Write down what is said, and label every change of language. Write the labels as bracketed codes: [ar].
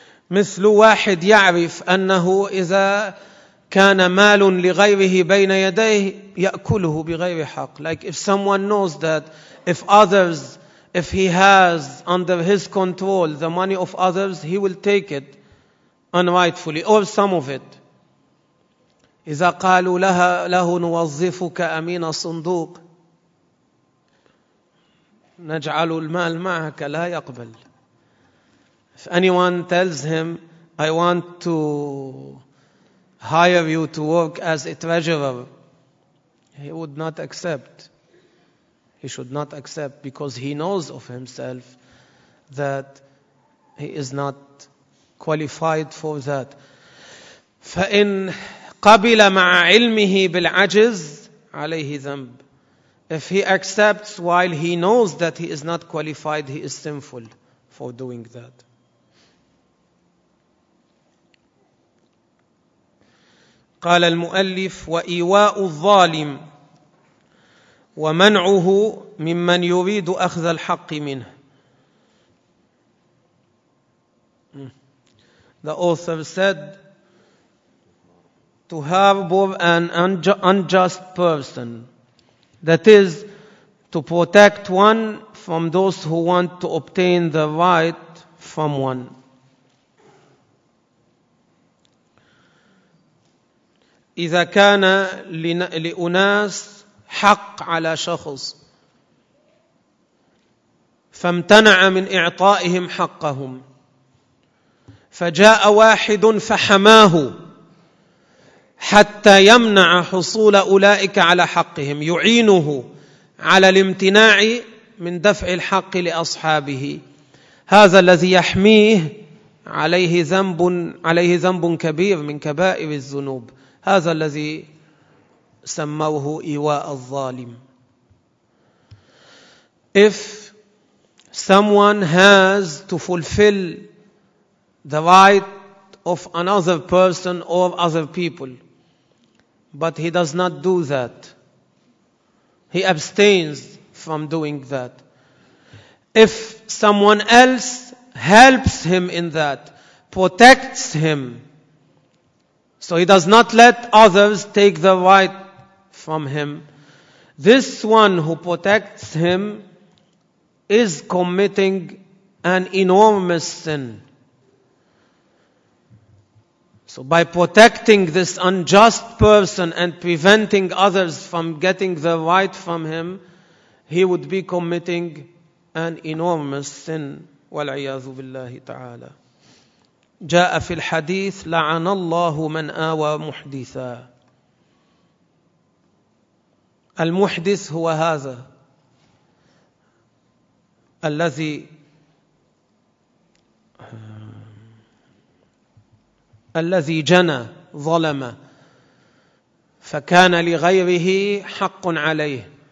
[ar] مثل واحد يعرف أنه إذا كان مال لغيره بين يديه يأكله بغير حق. [en] Like if someone knows that if he has under his control the money of others, he will take it unrightfully or some of it. [ar] إذا قالوا له نوظفك أمين صندوق نجعل المال معك لا يقبل. [en] If anyone tells him, I want to hire you to work as a treasurer, he would not accept. He should not accept because he knows of himself that he is not qualified for that. [ar] فإن قبل مع علمه بالعجز عليه ذنب. [en] If he accepts while he knows that he is not qualified, he is sinful for doing that. [ar] قال المؤلف وإيواء الظالم ومنعه ممن يريد أخذ الحق منه. [en] The author said to harbor an unjust person, that is to protect one from those who want to obtain the right from one. [ar] إذا كان لأناس حق على شخص فامتنع من إعطائهم حقهم فجاء واحد فحماه حتى يمنع حصول أولئك على حقهم، يعينه على الامتناع من دفع الحق لأصحابه، هذا الذي يحميه عليه ذنب كبير من كبائر الذنوب، هذا الذي سموه إيواء الظالم. [en] If someone has to fulfill the right of another person or other people, but he does not do that, he abstains from doing that. If someone else helps him in that, protects him, so he does not let others take the right from him, this one who protects him is committing an enormous sin. So by protecting this unjust person and preventing others from getting the right from him, he would be committing an enormous sin. [ar] والعياذ بالله تعالى. جاء في الحديث لعن الله من آوى محدثا. المحدث هو هذا الذي جنى ظلم فكان لغيره حق عليه.